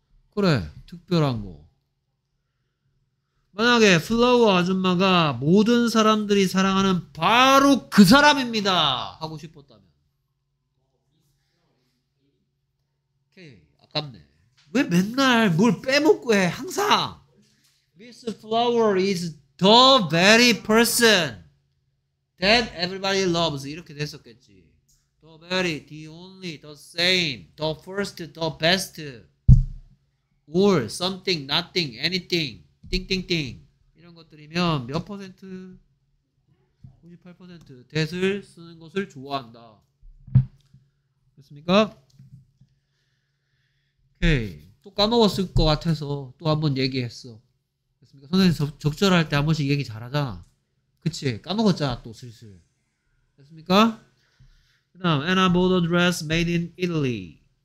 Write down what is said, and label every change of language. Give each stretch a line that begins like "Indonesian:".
Korean: 그래, 특별한 거. 만약에 플라워 아줌마가 모든 사람들이 사랑하는 바로 그 사람입니다 하고 싶었다면 아깝네. 왜 맨날 뭘 빼먹고 해? 항상
English: Miss Flower is the very person that everybody loves
Korean: 이렇게 됐었겠지.
English: The very, the only, the same, the first, the best, or something, nothing, anything, ding ding ding.
Korean: 이런 것들이면 몇 퍼센트? 98% that을 쓰는 것을 좋아한다. 됐습니까? 오케이. 또 까먹었을 것 같아서 또 한번 얘기했어. 됐습니까? 선생님 적절할 때 한 번씩 얘기 잘하잖아. 그치? 까먹었잖아 또 슬슬. 됐습니까? 그 다음
English: and I bought a dress made in Italy.